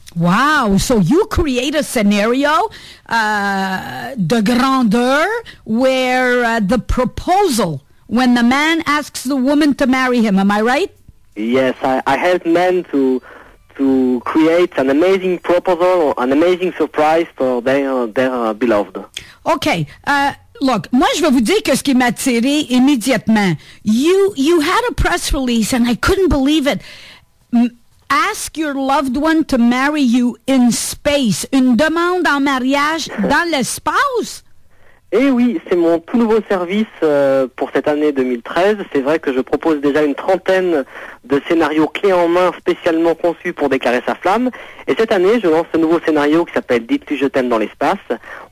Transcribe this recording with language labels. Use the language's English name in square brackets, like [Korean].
[English] Wow, so you create a scenario [French] de grandeur [English] where the proposal, when the man asks the woman to marry him, am I right? Yes, I help men to create an amazing proposal, an amazing surprise for their beloved. Okay, look, [French] moi je vais vous dire que ce qui m'a attiré immédiatement. [English] You had a press release and I couldn't believe it. Ask your loved one to marry you in space. [French] Une demande en mariage dans l'espace? Eh oui, c'est mon tout nouveau service pour cette année 2013. C'est vrai que je propose déjà une trentaine de scénarios clés en main spécialement conçus pour déclarer sa flamme. Et cette année, je lance ce nouveau scénario qui s'appelle « Dites-tu je t'aime dans l'espace ».